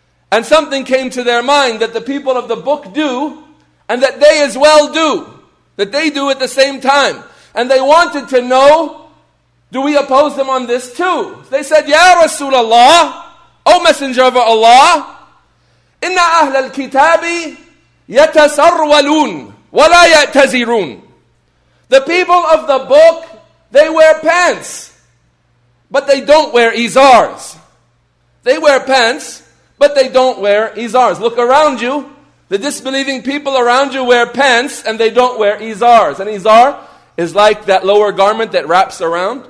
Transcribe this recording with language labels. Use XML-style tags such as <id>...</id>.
<en>And something came to their mind that the people of the book do, and that they as well do, that they do at the same time. And they wanted to know, do we oppose them on this too? They said, Ya Rasulullah, O Messenger of Allah,</en> <ar>إن أهل الكتاب يتسرولون ولا يأتزرون.</ar> <en>The people of the book, they wear pants, but they don't wear izars. They wear pants, but they don't wear izars. Look around you. The disbelieving people around you wear pants and they don't wear izars. An izar is like that lower garment that wraps around.</en>